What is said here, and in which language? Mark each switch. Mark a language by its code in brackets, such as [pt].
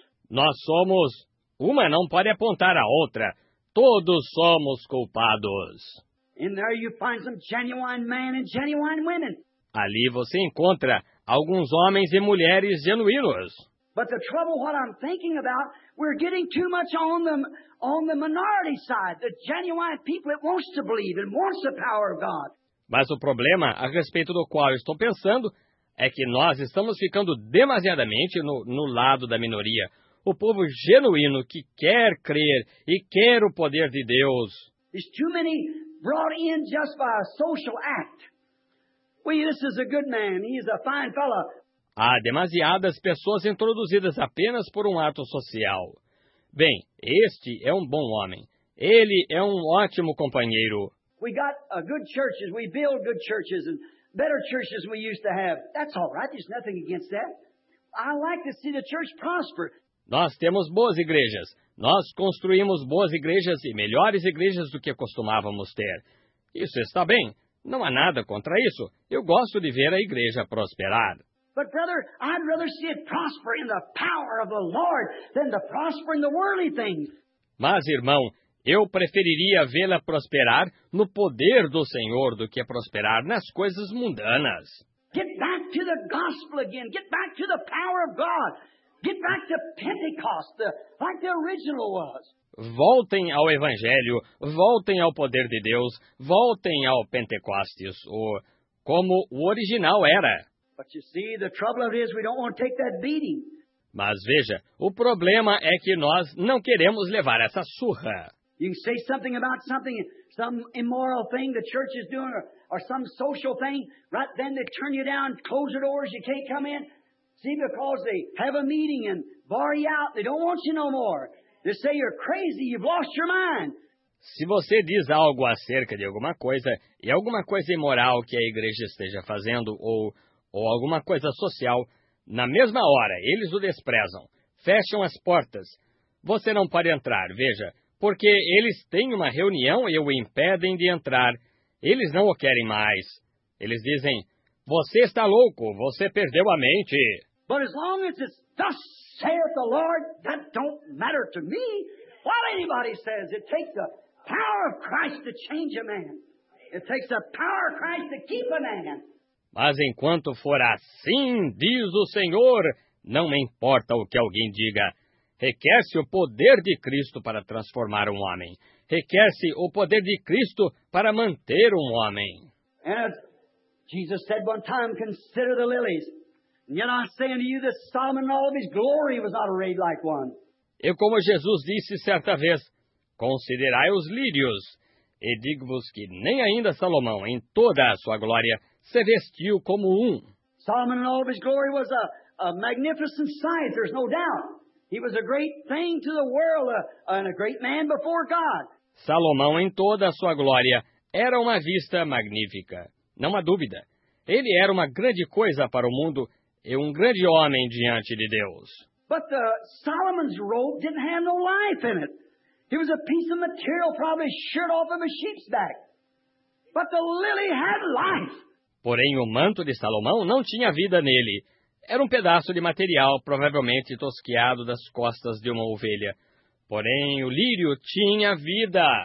[pt] Nós somos, uma não pode apontar a outra, todos somos culpados. [en] And there you find some genuine men and genuine women. [pt] Ali você encontra alguns homens e mulheres genuínos. [en] But the trouble what I'm thinking about, we're getting too much on the minority side, the genuine people that wants to believe and wants the power of God. [pt] Mas o problema a respeito do qual eu estou pensando é que nós estamos ficando demasiadamente no lado da minoria, o povo genuíno que quer crer e quer o poder de Deus. [en] It's too many brought in just by a social act. Well, this is a good man. He's a fine fellow. [pt] Há demasiadas pessoas introduzidas apenas por um ato social. Bem, este é um bom homem. Ele é um ótimo companheiro. [en] We got a good churches. We build good churches and better churches than we used to have. That's all right. There's nothing against that. I like to see the church prosper. [pt] Nós temos boas igrejas. Nós construímos boas igrejas e melhores igrejas do que costumávamos ter. Isso está bem. Não há nada contra isso. Eu gosto de ver a igreja prosperar. [en] But brother, I'd rather see it prosper in the power of the Lord than to prosper in the worldly things. [pt] Mas, irmão, eu preferiria vê-la prosperar no poder do Senhor do que prosperar nas coisas mundanas. [en] Get back to the gospel again. Get back to the power of God. Get back to Pentecost, like the original was. [pt] Voltem ao Evangelho, voltem ao poder de Deus, voltem ao Pentecostes, como o original era. [en] But you see, the trouble of it is we don't want to take that beating. [pt] Mas veja, o problema é que nós não queremos levar essa surra. [en] You can say something about something, some immoral thing the church is doing, or some social thing, right then they turn you down, close the doors, you can't come in. See, because they have a meeting and bar you out, they don't want you no more. They say you're crazy, you've lost your mind. [pt] Se você diz algo acerca de alguma coisa, e alguma coisa imoral que a igreja esteja fazendo, ou alguma coisa social, na mesma hora, eles o desprezam, fecham as portas. Você não pode entrar, veja, porque eles têm uma reunião e o impedem de entrar. Eles não o querem mais. Eles dizem, você está louco, você perdeu a mente. [en] But as long as it's thus saith the Lord, that don't matter to me. What anybody says, it takes the power of Christ to change a man. It takes the power of Christ to keep a man. [pt] Mas enquanto for assim, diz o Senhor, não me importa o que alguém diga. Requer-se o poder de Cristo para transformar um homem. Requer-se o poder de Cristo para manter um homem. [en] And Jesus said one time, consider the lilies. And yet I say unto you that Solomon in all of his glory was not arrayed like one. [pt] E como Jesus disse certa vez, considerai os lírios. E digo-vos que nem ainda Salomão, em toda a sua glória, se vestiu como um. [en] Solomon in all of his glory was a magnificent sight, there's no doubt. He was a great thing to the world, and a great man before God. [pt] Salomão, em toda a sua glória, era uma vista magnífica. Não há dúvida. Ele era uma grande coisa para o mundo e um grande homem diante de Deus. [en] But the Solomon's robe didn't have no life in it. It was a piece of material, probably shirt off of a sheep's back. But the lily had life. [pt] Porém, o manto de Salomão não tinha vida nele. Era um pedaço de material, provavelmente tosqueado das costas de uma ovelha. Porém, o lírio tinha vida.